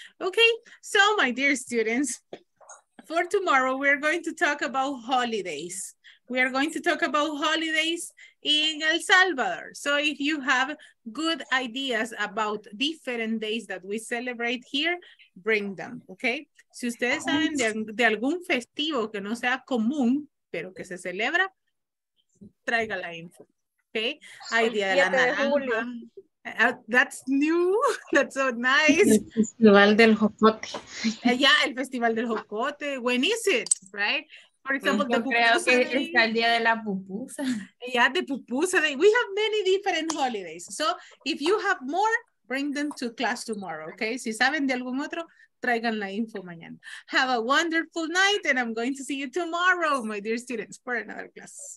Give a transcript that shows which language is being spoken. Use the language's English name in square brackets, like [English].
[English] Okay, so my dear students, for tomorrow, we're going to talk about holidays. We are going to talk about holidays in El Salvador. So if you have good ideas about different days that we celebrate here, bring them, okay? [Spanish] Si ustedes saben de algún festivo que no sea común, pero que se celebra, traiga la info, okay? Idea de la naranja. [English] That's new. That's so nice. [Spanish] El Festival del Jocote. [English] Yeah, el Festival del Jocote. When is it, right? For example, the pupusa. [Spanish] Creo que está el día de la pupusa. [English] Yeah, the pupusa. We have many different holidays. So if you have more, bring them to class tomorrow, okay? [Spanish] Si saben de algún otro, traigan la info mañana. [English] Have a wonderful night, and I'm going to see you tomorrow, my dear students, for another class.